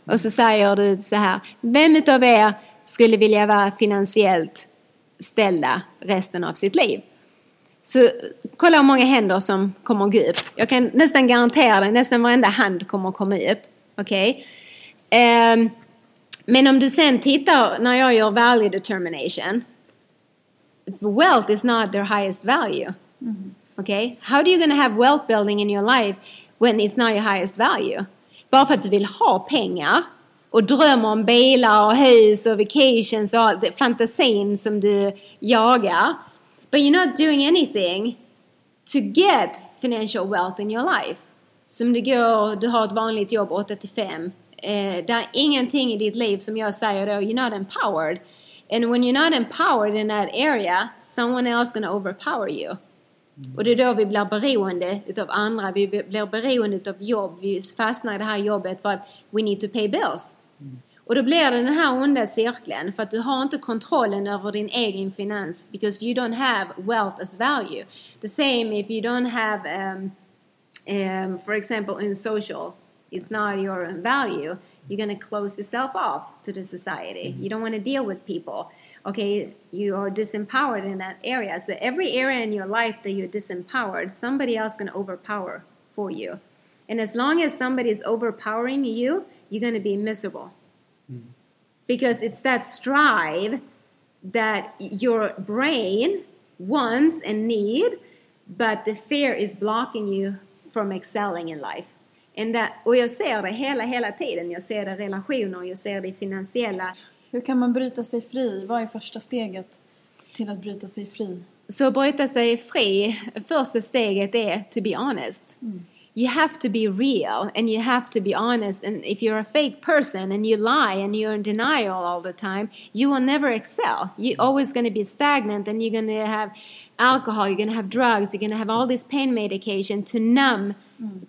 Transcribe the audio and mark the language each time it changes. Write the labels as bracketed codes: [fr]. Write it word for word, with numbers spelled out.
[sv] Och så säger du så här. Vem utav er skulle vilja vara finansiellt ställda resten av sitt liv? Så kolla hur många händer som kommer att gå upp. Jag kan nästan garantera det. Nästan varenda hand kommer att komma upp. Okej. Okay? Eh, men om du sen tittar när jag gör value determination. [en] Wealth is not their highest value. Mm-hmm. Okay? How do you going to have wealth building in your life when it's not your highest value? [sv] Bara för att du vill ha pengar och drömmer om bilar och hus och vacations och all fantasin som du jagar. [en] But you're not doing anything to get financial wealth in your life. [sv] Som du går, du har ett vanligt jobb åtta till fem. Eh, det är ingenting i ditt liv som jag säger då, [en] you're not empowered. And when you're not empowered in that area, someone else is going to overpower you. Mm. [sv] Och det är då vi blir beroende utav andra. Vi blir beroende utav jobb. Vi fastnar i det här jobbet för att [en] we need to pay bills. [sv] Mm. Och då blir det den här onda cirkeln. För att du har inte kontrollen över din egen finans. [en] Because you don't have wealth as value. The same if you don't have, um, um, for example, in social. It's not your value. You're going to close yourself off to the society. You don't want to deal with people. Okay, you are disempowered in that area. So every area in your life that you're disempowered, somebody else is going to overpower for you. And as long as somebody is overpowering you, you're going to be miserable. Mm. Because it's that strive that your brain wants and needs, but the fear is blocking you from excelling in life. [sv] That, och jag ser det hela, hela tiden. Jag ser det i relationer, jag ser det i finansiella. Hur kan man bryta sig fri? Vad är första steget till att bryta sig fri? Så bryta sig fri, första steget är [en] to be honest. Mm. You have to be real and you have to be honest. And if you're a fake person and you lie and you're in denial all the time, you will never excel. You're always going to be stagnant and you're going to have alcohol, you're going to have drugs, you're going to have all this pain medication to numb Mm.